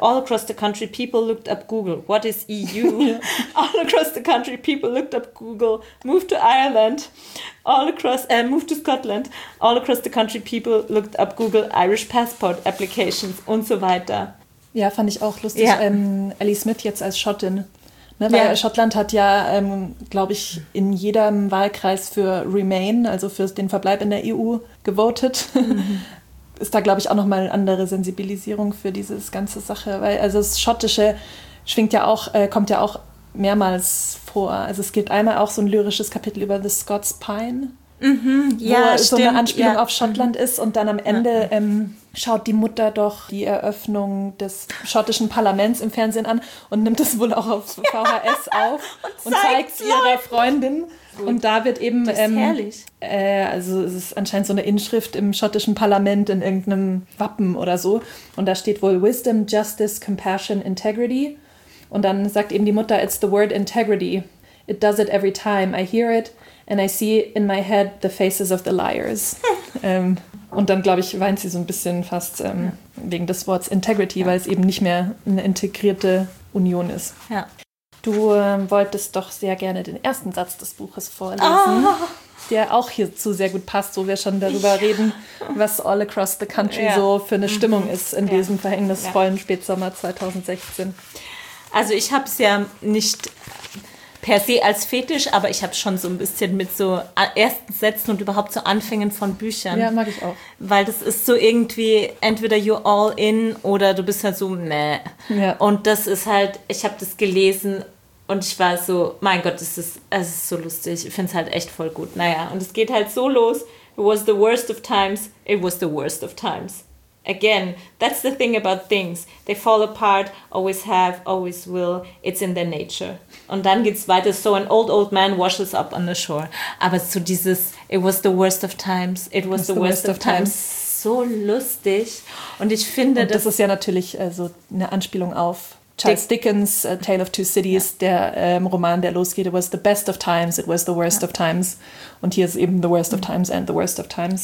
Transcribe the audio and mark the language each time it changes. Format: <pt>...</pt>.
<en>All across the country people looked up Google. What is EU? All across the country people looked up Google. Moved to Ireland. All across, moved to Scotland. All across the country people looked up Google. Irish passport applications und so weiter.</en> <de>Ja, fand ich auch lustig. Ja. Ellie Smith jetzt als Schottin. Ne, weil Schottland hat ja, glaube ich, in jedem Wahlkreis für Remain, also für den Verbleib in der EU, gewotet. Ist da, glaube ich, auch nochmal eine andere Sensibilisierung für diese ganze Sache. Weil also das Schottische schwingt ja auch, kommt ja auch mehrmals vor. Also es gibt einmal auch so ein lyrisches Kapitel über The Scots Pine, wo so eine Anspielung auf Schottland ist. Und dann am Ende schaut die Mutter doch die Eröffnung des schottischen Parlaments im Fernsehen an und nimmt es wohl auch auf VHS auf und zeigt es ihrer Freundin. Gut. Und da wird eben, das ist herrlich. Also es ist anscheinend so eine Inschrift im schottischen Parlament in irgendeinem Wappen oder so. Und da steht wohl</de> <en>Wisdom, Justice, Compassion, Integrity.</en> <de>Und dann sagt eben die Mutter,</de> <en>it's the word integrity. It does it every time. I hear it and I see in my head the faces of the liars.</en> <de>Und dann, glaube ich, weint sie so ein bisschen fast wegen des Wortes Integrity, weil es eben nicht mehr eine integrierte Union ist. Ja. Du wolltest doch sehr gerne den ersten Satz des Buches vorlesen, der auch hierzu sehr gut passt, wo wir schon darüber reden, was</de> <en>all across the country</en> <de>so für eine Stimmung ist in diesem verhängnisvollen Spätsommer 2016. Also ich habe es ja nicht per se als Fetisch, aber ich habe schon so ein bisschen mit so ersten Sätzen und überhaupt so Anfängen von Büchern. Ja, mag ich auch. Weil das ist so irgendwie entweder</de> <en>you're all in</en> <de>oder du bist halt so meh. Ja. Und das ist halt, ich habe das gelesen und ich war so, mein Gott, das ist so lustig. Ich finde es halt echt voll gut. Naja, und es geht halt so los.</de> <en>It was the worst of times. It was the worst of times. Again, that's the thing about things. They fall apart, always have, always will. It's in their nature.</en> <de>Und dann geht's weiter.</de> <en>So an old man washes up on the shore.</en> <de>Aber so dieses,</de> <en>it was the worst of times. It was the worst of times.</en> <de>So lustig. Und ich finde, und das ist ja natürlich so eine Anspielung auf Charles Dickens, A Tale of Two Cities, der Roman, der losgeht.</de> <en>It was the best of times.</en> <de>It was</de> <en>the worst of times.</en> <de>Und hier ist eben the worst of times and the worst of times.</de>